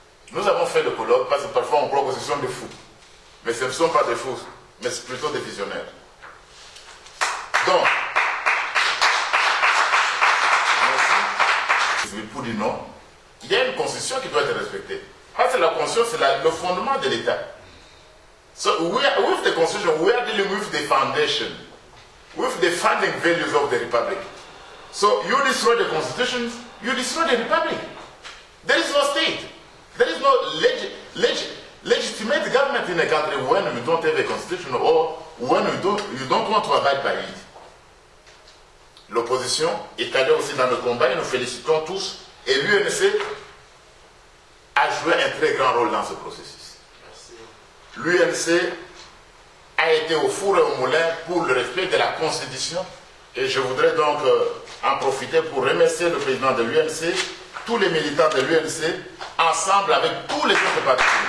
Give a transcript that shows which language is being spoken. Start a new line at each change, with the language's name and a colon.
French: Nous avons fait le colloque parce que parfois on croit que ce sont des fous. Mais ce ne sont pas des fous, mais c'est plutôt des visionnaires. Donc, merci. Pour dire non. Il y a une constitution qui doit être respectée. Parce que la constitution, c'est le fondement de l'État.
English: So, with the constitution, we are dealing with the foundation, with the founding values of the republic. So, you destroy the constitution, you destroy the republic. There is no state. There is no legitimate government in a country when you don't have a constitution or when you don't want to abide by it.
French: L'opposition est allée aussi dans le combat et nous félicitons tous. Et l'UNC a joué un très grand rôle dans ce processus. Merci. l'UNC a été au four et au moulin pour le respect de la Constitution. Et je voudrais donc en profiter pour remercier le président de l'UNC, tous les militants de l'UNC, ensemble avec tous les autres partis.